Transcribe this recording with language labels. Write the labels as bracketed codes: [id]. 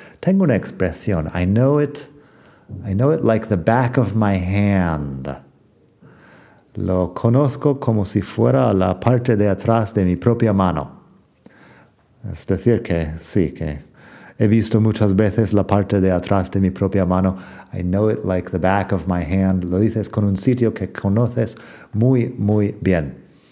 [es] Tengo una expresión, [en] I know it like the back of my hand. [es] Lo conozco como si fuera la parte de atrás de mi propia mano. Es decir, que sí, que he visto muchas veces la parte de atrás de mi propia mano. [en] I know it like the back of my hand. [es] Lo dices con un sitio que conoces muy, muy bien.